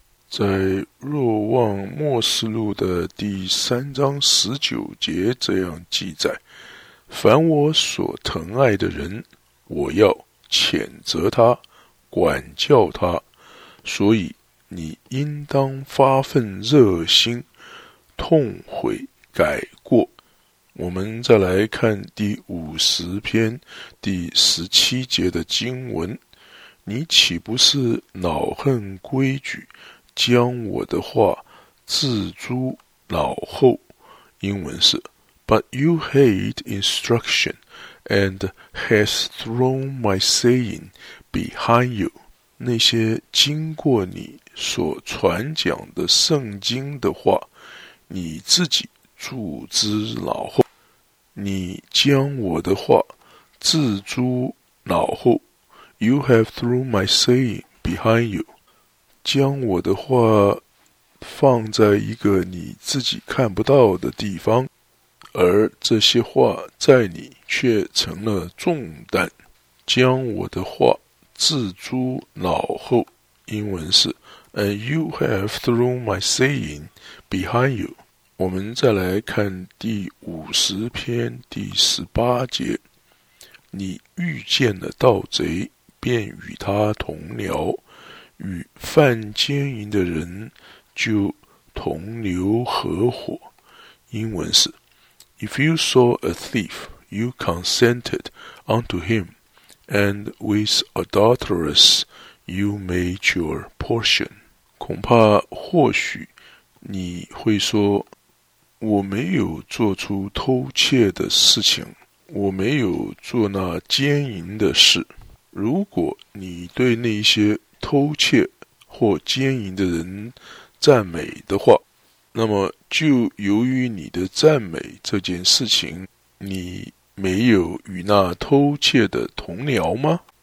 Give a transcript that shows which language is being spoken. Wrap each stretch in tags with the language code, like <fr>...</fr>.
<zh>在若望末世录的第3章19节这样记载，凡我所疼爱的人，我要谴责他，管教他，所以你应当发愤热心，痛悔改过。我们再来看第50篇第17节的经文，你岂不是恼恨规矩，将我的话置诸脑后？英文是</zh> <en>But you hate instruction and has thrown my saying behind you.</en> <zh>那些经过你所传讲的圣经的话，你自己置之脑后，你将我的话置诸脑后。</zh> <en>You have thrown my saying behind you，</en> <zh>将我的话放在一个你自己看不到的地方，而这些话在你却成了重担。将我的话置诸脑后，英文是</zh> <en>And you have thrown my saying behind you。</en> <zh>我们再来看第五十篇第十八节，你遇见了盗贼，便与他同流，与犯奸淫的人就同流合伙。英文是</zh> <en>If you saw a thief, you consented unto him, and with adulterers you made your portion。</en> <zh>恐怕或许你会说，我没有做出偷窃的事情，我没有做那奸淫的事。如果你对那些偷窃或奸淫的人赞美的话，那么就由于你的赞美这件事情，你没有与那偷窃的同僚吗？</zh>